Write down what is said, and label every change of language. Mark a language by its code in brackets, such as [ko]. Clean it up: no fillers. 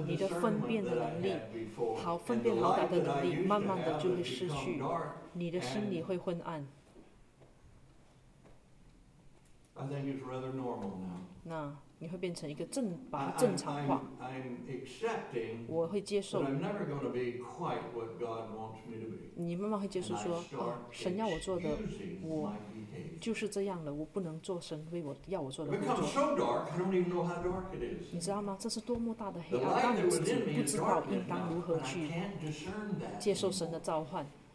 [zh] 你的分辨的能力，好分辨好歹的能力，慢慢的就会失去，你的心里会昏暗。 [en] think it's rather normal now. [zh] 那你会变成一个正把它正常化。 [en] I'm accepting, [zh] 我会接受。 [en] But I'm never going to be quite what God wants me to be. [zh] 你慢慢会接受说，啊，神要我做的，我就是这样了，我不能做神为我要我做的工作。 [en] It becomes so dark, I don't even know how dark it is. [zh] 你知道吗？这是多么大的黑暗，让你自己不知道应当如何去接受神的召唤。